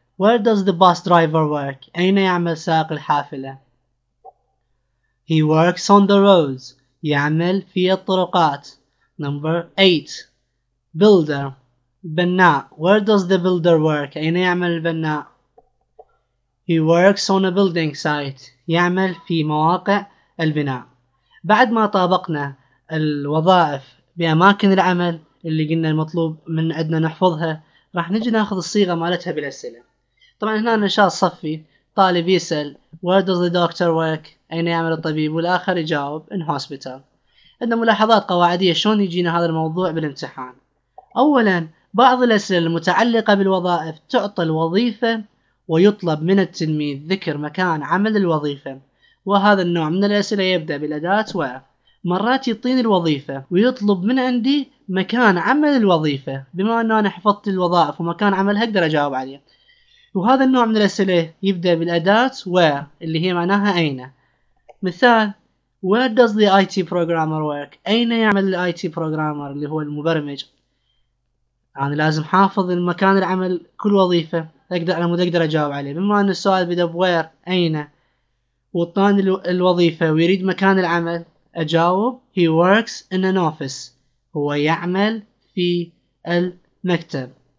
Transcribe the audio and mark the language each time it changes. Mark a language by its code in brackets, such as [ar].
[en] Where does the bus driver work؟ [ar] أين يعمل سائق الحافلة؟ [en] He works on the roads، [ar] يعمل في الطرقات. [en] Number 8 builder بناء. Where does the builder work؟ [ar] أين يعمل البناء؟ [en] He works on a building site، [ar] يعمل في مواقع البناء. بعد ما طابقنا الوظائف بأماكن العمل اللي قلنا المطلوب من عندنا نحفظها، راح نجي ناخذ الصيغة مالتها بالأسئلة. طبعا هنا نشاط صفي، طالب يسأل [en] Where does the doctor work؟ [ar] أين يعمل الطبيب؟ والآخر يجاوب [en] In hospital. [ar] عندنا ملاحظات قواعدية شلون يجينا هذا الموضوع بالامتحان. اولا بعض الاسئلة المتعلقة بالوظائف تعطى الوظيفة ويطلب من التلميذ ذكر مكان عمل الوظيفة، وهذا النوع من الاسئلة يبدأ بالاداة. ومرات يعطيني الوظيفة ويطلب من عندي مكان عمل الوظيفة، بما ان انا حفظت الوظائف ومكان عملها اقدر اجاوب عليه، وهذا النوع من الاسئلة يبدأ بالاداة اللي هي معناها اين. مثال [en] Where does the IT programmer work? [ar] أين يعمل الـ IT programmer اللي هو المبرمج؟ يعني لازم حافظ المكان العمل كل وظيفة أقدر أنا مقدر أجاوب عليه. بما أن السؤال بدأ بوير أين وطان الوظيفة ويريد مكان العمل أجاوب [en] he works in an office [ar] هو يعمل في المكتب.